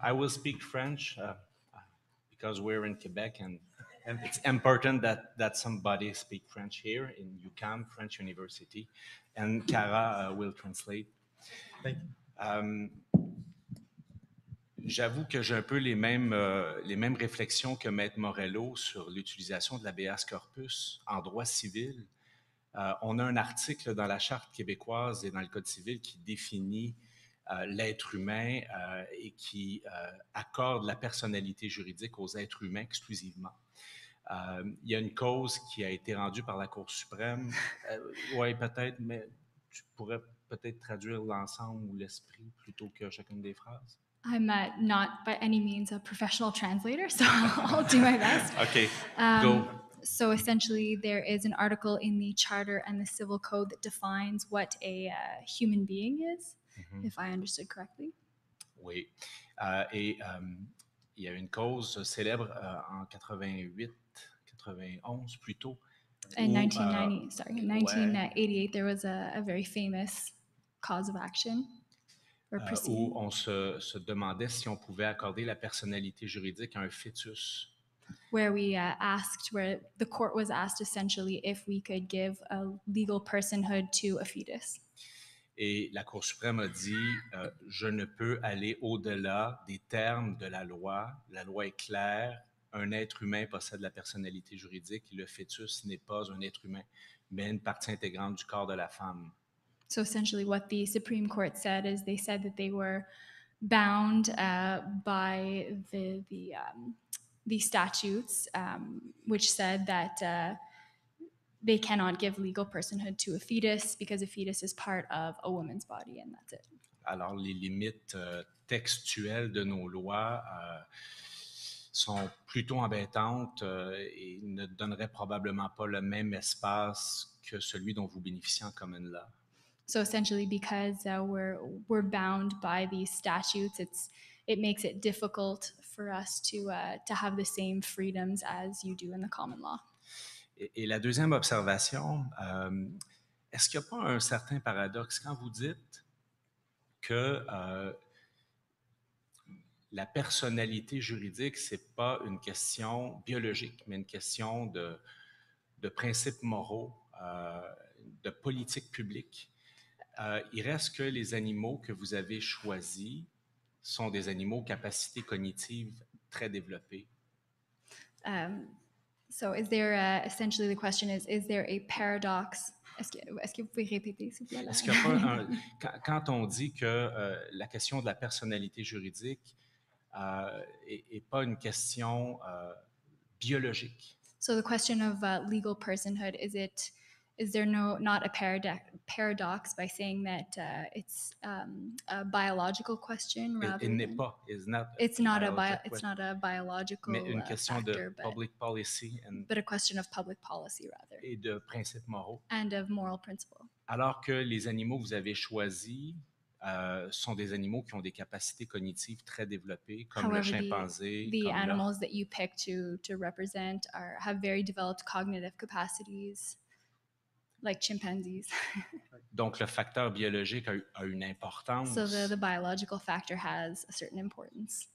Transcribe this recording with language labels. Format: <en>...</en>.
<en>I will speak French because we're in Quebec, and it's important that somebody speak French here in UQAM, French University, and Cara will translate. Thank you.</en> <fr>J'avoue que j'ai un peu les mêmes réflexions que Maître Morello sur l'utilisation de l'habeas corpus en droit civil. On a un article dans la Charte québécoise et dans le Code civil qui définit l'être humain et qui accorde la personnalité juridique aux êtres humains exclusivement. Il y a une cause qui a été rendue par la Cour suprême. Oui, peut-être, mais tu pourrais peut-être traduire l'ensemble ou l'esprit plutôt que chacune des phrases.</fr> <en>I'm not by any means a professional translator, so I'll do my best. Okay, go. So essentially, there is an article in the Charter and the Civil Code that defines what a human being is, mm-hmm. if I understood correctly.</en> <fr>Oui. Et il y a une cause célèbre en 91 plutôt.</fr> <en>In 1988, ouais. there was a very famous cause of action.</en> <fr>Où on se demandait si on pouvait accorder la personnalité juridique à un fœtus.</fr> <en>Where we asked, where the court was asked essentially if we could give a legal personhood to a fetus.</en> <fr>Et la Cour suprême a dit, je ne peux aller au-delà des termes de la loi. La loi est claire, un être humain possède la personnalité juridique, le fœtus n'est pas un être humain, mais une partie intégrante du corps de la femme.</fr> <en>So essentially what the Supreme Court said is they said that they were bound by the statutes which said that they cannot give legal personhood to a fetus because a fetus is part of a woman's body and that's it.</en> <fr>Alors les limites textuelles de nos lois sont plutôt embêtantes et ne donneraient probablement pas le même espace que celui dont vous bénéficiez en common law.</fr> <en>So essentially, because we're bound by these statutes, it makes it difficult for us to have the same freedoms as you do in the common law.</en> <fr>Et la deuxième observation, est-ce qu'il n'y a pas un certain paradoxe quand vous dites que la personnalité juridique, c'est pas une question biologique, mais une question de principes moraux, de politique publique? Il reste que les animaux que vous avez choisis sont des animaux aux capacités cognitives très développées.</fr> <en>So is there essentially the question is there a paradox?</en> <fr>Est-ce que vous pouvez répéter s'il vous plaît? Est-ce qu'il y a pas quand on dit que la question de la personnalité juridique est pas une question biologique.</fr> <en>So the question of legal personhood is there not a paradox by saying that it's a biological question rather than... It's not a biological factor, but...</en> <fr>Mais une question</fr> <en>factor, de public policy and... But a question of public policy, rather.</en> <fr>Et de principes moraux.</fr> <en>And of moral principle.</en> <fr>Alors que les animaux que vous avez choisis sont des animaux qui ont des capacités cognitives très développées, comme</fr> <en>However,</en> <fr>le chimpanzé,</fr> <en>the</en> <fr>comme</fr> <en>the animals that you pick to represent are have very developed cognitive capacities... Like chimpanzees.</en> <fr>Donc, le facteur biologique a une importance.</fr> <en>So the biological factor has a certain importance.</en>